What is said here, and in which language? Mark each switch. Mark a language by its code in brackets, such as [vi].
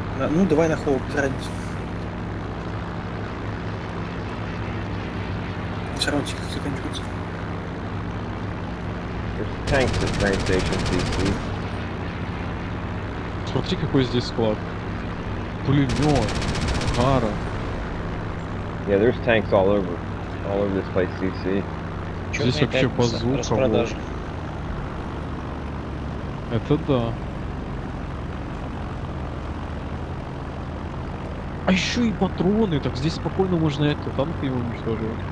[ru] Ну, давай на холл, без разницы. Все равно тихо заканчивается. Танк на train station, DC. Смотри, какой здесь склад. Пулемет. Кара. [en] Yeah, there's tanks all over this place, DC. [ru] Здесь вообще базука, вот. Это да. А еще и патроны, так здесь спокойно можно это танки его уничтожить.